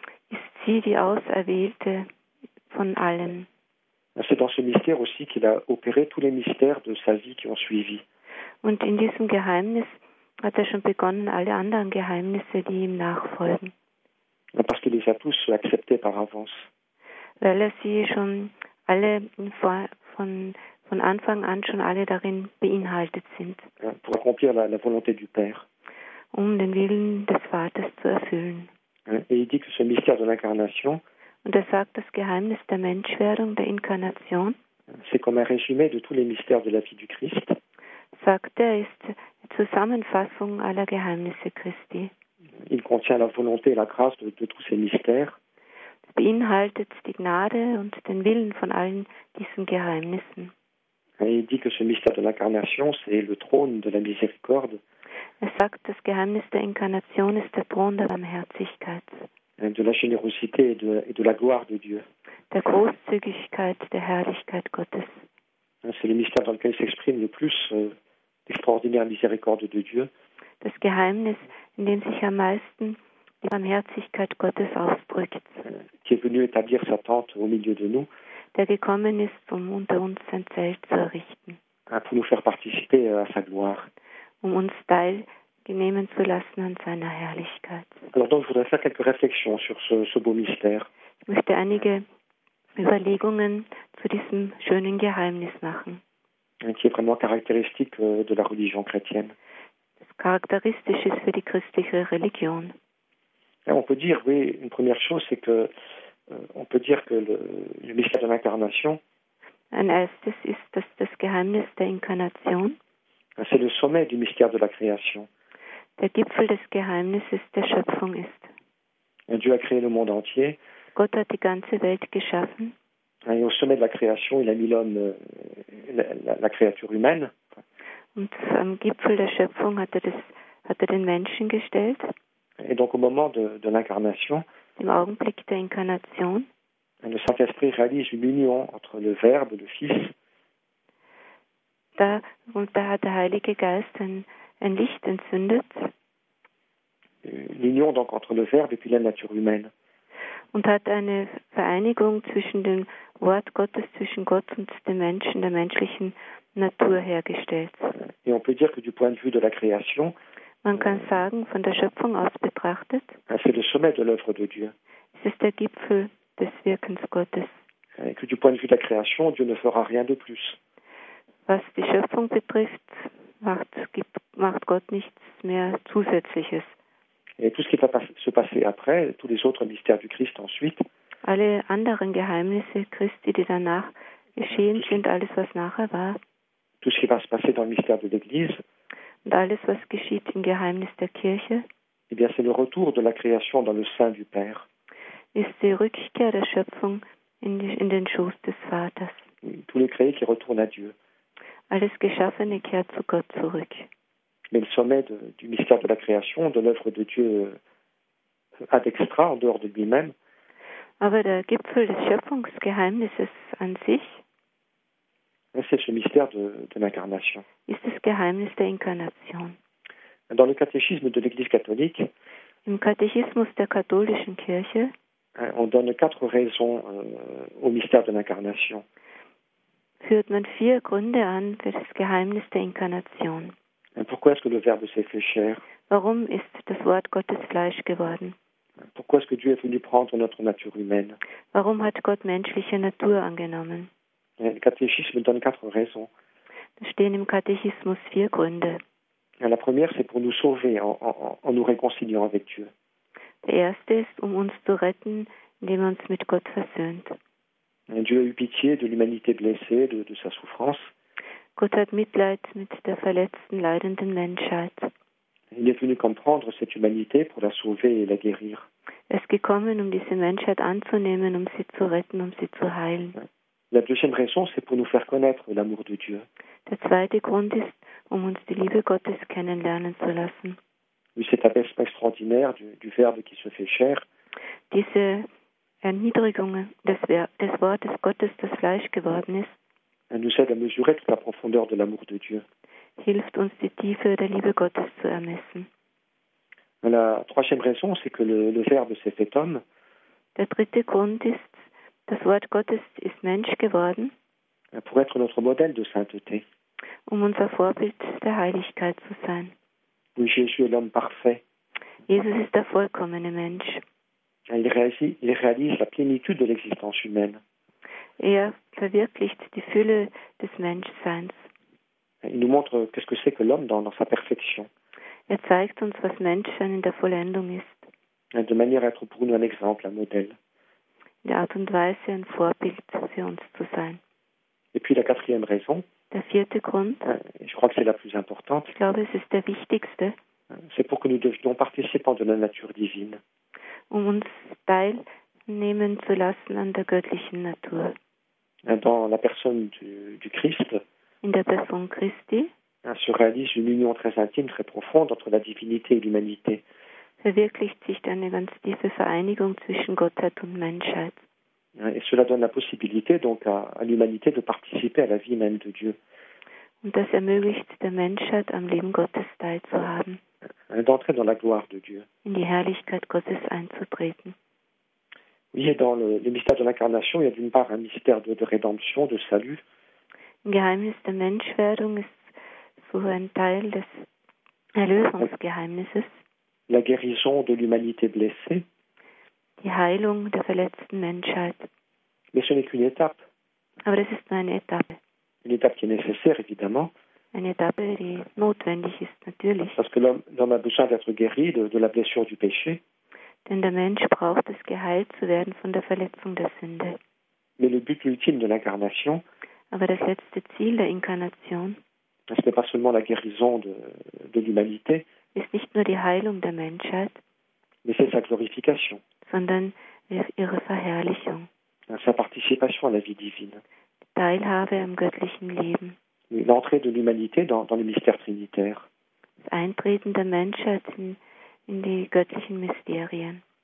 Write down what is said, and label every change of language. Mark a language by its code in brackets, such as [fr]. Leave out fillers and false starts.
[de] Ist sie die Auserwählte von allen. [fr] C'est dans ce mystère aussi qu'il a opéré tous les mystères de sa vie qui ont suivi. [de] Und in diesem Geheimnis hat schon begonnen, alle anderen Geheimnisse, die ihm nachfolgen. [fr] Parce qu'il les a tous acceptés par avance. [de] Weil sie schon alle von Anfang an schon alle darin beinhaltet sind. [fr] Pour accomplir la volonté du Père. [de] Um den Willen des Vaters zu erfüllen. [fr] Et il dit que ce mystère de l'incarnation. [de] Und er sagt, das Geheimnis der Menschwerdung, der Inkarnation, [fr] c'est comme un résumé de tous les mystères de la vie du Christ. [de] Sagt er, ist die Zusammenfassung aller Geheimnisse Christi. [fr] Il contient la volonté et la grâce de tous ces mystères. [de] Beinhaltet die Gnade und den Willen von allen diesen Geheimnissen. [fr] Et il dit que ce mystère de l'incarnation, c'est le trône de la miséricorde. [de] Er sagt, das Geheimnis der Inkarnation ist der Thron der Barmherzigkeit. [fr] De la générosité et de la gloire de Dieu. [de] Der Großzügigkeit, der Herrlichkeit Gottes. [fr] C'est le mystère dans lequel s'exprime le plus l'extraordinaire miséricorde de Dieu. [de] Das Geheimnis, in dem sich am meisten die Barmherzigkeit Gottes ausdrückt. [fr] Qui est venu établir sa tente au milieu de nous. [de] Der gekommen ist, um unter uns sein Zelt zu errichten. [fr] Pour nous faire participer à sa gloire. [de] Um uns teilnehmen zu lassen an seiner Herrlichkeit. [fr] Alors donc, je voudrais faire quelques réflexions sur ce beau mystère. [de] Ich möchte einige Überlegungen zu diesem schönen Geheimnis machen. [fr] Qui est vraiment caractéristique de la religion chrétienne. [de] Das charakteristisch ist für die christliche Religion. [fr] Et on peut dire, oui, une première chose, c'est que on peut dire que le mystère de l'incarnation. [de] Ein erstes ist, dass das Geheimnis der Inkarnation. [fr] C'est le sommet du mystère de la création. [de] Der Gipfel des Geheimnisses der Schöpfung ist. [fr] Dieu a créé le monde entier. [de] Gott hat die ganze Welt geschaffen. [fr] Et au sommet de la création, il a mis l'homme, la créature humaine. [de] Und am Gipfel der Schöpfung hat er den Menschen gestellt. [fr] Et donc au moment de l'incarnation. [de] Im Augenblick der Inkarnation. [fr] Le Saint-Esprit réalise une union entre le Verbe, le Fils. [de] Da hat der Heilige Geist ein Licht entzündet. [fr] L'union donc entre le Verbe et puis la nature humaine. [de] Und hat eine Vereinigung zwischen dem Wort Gottes, zwischen Gott und dem Menschen, der menschlichen Natur hergestellt. [fr] Et on peut dire que du point de vue de la création, [de] man kann sagen, von der Schöpfung aus betrachtet, [fr] c'est le sommet de l'œuvre de Dieu. [de] Es ist der Gipfel des Wirkens Gottes. [fr] Et que du point de vue de la création, Dieu ne fera rien de plus. [de] Was die Schöpfung betrifft, macht Gott nichts mehr Zusätzliches. [fr] Et tout ce qui va se passer après, tous les autres mystères du Christ ensuite. [de] Alle anderen Geheimnisse Christi, die danach geschehen sind, alles was nachher war. [fr] Tout ce qui va se passer dans le mystère de l'Église. [de] Und alles was geschieht im Geheimnis der Kirche. [fr] Eh bien, c'est le retour de la création dans le sein du Père. [de] Ist die Rückkehr der Schöpfung in den Schoß des Vaters. [fr] Tout le créé qui retourne à Dieu. [de] Alles Geschaffene kehrt zu Gott zurück. [fr] Mais le sommet du mystère de la création, de l'œuvre de Dieu ad extra, en dehors de lui-même. [de] Aber der Gipfel des Schöpfungsgeheimnisses an sich. [fr] C'est ce mystère de l'incarnation. [de] Ist das Geheimnis der Inkarnation. [fr] dans le catéchisme de l'Église catholique, [de] im Katechismus der katholischen Kirche, [fr] on donne quatre raisons au mystère de l'incarnation. [de] Führt man vier Gründe an für das Geheimnis der Inkarnation. [fr] Et pourquoi est-ce que le Verbe s'est fait chair? [de] Warum ist das Wort Gottes Fleisch geworden? [fr] Pourquoi est-ce que Dieu est venu prendre notre nature humaine? [de] Warum hat Gott menschliche Natur angenommen? [fr] Et le catéchisme donne quatre raisons. [de] Da stehen im Katechismus vier Gründe. [fr] Et la première, c'est pour nous sauver en nous réconciliant avec Dieu. [de] Der erste ist, uns zu retten, indem uns mit Gott versöhnt. [fr] Et Dieu a eu pitié de l'humanité blessée, de sa souffrance. [de] Gott hat Mitleid mit der verletzten, leidenden Menschheit. [fr] Il est venu comprendre cette humanité pour la sauver et la guérir. [de] Er ist gekommen, diese Menschheit anzunehmen, sie zu retten, sie zu heilen. [fr] La deuxième raison, c'est pour nous faire connaître l'amour de Dieu. [de] Der zweite Grund ist, uns die Liebe Gottes kennenlernen zu lassen. [fr] Oui, cet abaissement extraordinaire du Verbe qui se fait chair. [de] Diese Erniedrigung des Wortes Gottes, das Fleisch geworden ist. [fr] Elle nous aide à mesurer toute la profondeur de l'amour de Dieu. [de] Hilft uns, die Tiefe der Liebe Gottes zu ermessen. [fr] La troisième raison, c'est que le Verbe s'est fait homme. [de] Der dritte Grund ist, das Wort Gottes ist Mensch geworden. [fr] Pour être notre modèle de sainteté. [de] Unser Vorbild der Heiligkeit zu sein. [fr] Oui, Jésus est l'homme parfait. [de] Jesus ist der vollkommene Mensch. [fr] Il réalise la plénitude de l'existence humaine. [de] Er verwirklicht die Fülle des Menschseins. [fr] Il nous montre qu'est-ce que c'est que l'homme dans sa perfection. [de] Er zeigt uns, was Menschsein in der Vollendung ist. [fr] De manière à être pour nous un exemple, un modèle. [de] In der Art und Weise, ein Vorbild für uns zu sein. [fr] Et puis la quatrième raison. [de] Der vierte Grund. [fr] Je crois que c'est la plus importante. [de] Ich glaube, es ist der wichtigste. [fr] C'est pour que nous devenions participants de la nature divine. [de] Uns teilnehmen zu lassen an der göttlichen Natur. [fr] Dans la personne du Christ. [de] In der Person Christi. [fr] Se réalise une union très intime, très profonde entre la divinité et l'humanité. [de] Verwirklicht sich eine ganz tiefe Vereinigung zwischen Gottheit und Menschheit. [fr] Et cela donne la possibilité donc à l'humanité de participer à la vie même de Dieu. [de] Und das ermöglicht der Menschheit, am Leben Gottes teilzuhaben. [fr] D'entrer dans la gloire de Dieu. [de] In die Herrlichkeit Gottes einzutreten. [fr] Oui, et dans le mystère de l'incarnation, il y a d'une part un mystère de rédemption, de salut. [de] Im Geheimnis der Menschwerdung ist so ein Teil des Erlösungsgeheimnisses. [fr] La guérison de l'humanité blessée. [de] Die Heilung der verletzten Menschheit. [fr] Mais ce n'est qu'une étape. [de] Aber das ist nur eine Etappe. [fr] Une étape qui est nécessaire, évidemment. [de] Eine Etappe, die notwendig ist, natürlich. [fr] Parce que l'homme a besoin d'être guéri de la blessure du péché. [de] Denn der Mensch braucht es, geheilt zu werden von der Verletzung der Sünde. [fr] Mais le but ultime de l'incarnation. [de] Aber das letzte Ziel der Inkarnation. [fr] Ce n'est pas seulement la guérison de l'humanité. [de] Ist nicht nur die Heilung der Menschheit. [fr] Mais c'est sa glorification. [de] Sondern ihre Verherrlichung. [fr] Sa participation à la vie divine. [de] Teilhabe am göttlichen Leben. [fr] L'entrée de l'humanité dans le mystère trinitaire. [de] Das Eintreten der Menschheit in die göttlichen Mysterien.